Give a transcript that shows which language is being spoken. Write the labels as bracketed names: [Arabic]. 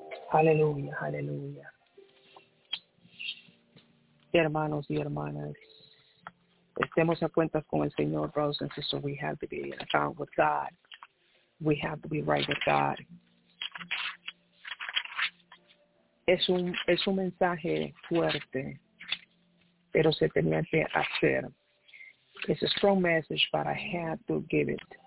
[English] Hallelujah. Hallelujah. [Spanish] Hermanos y hermanas, estemos a cuentas con el Señor, [English] brothers and sisters. We have to be in account with God. We have to be right with God. [Spanish] Es un mensaje fuerte, pero se tenía que hacer. [English] It's a strong message, but I have to give it.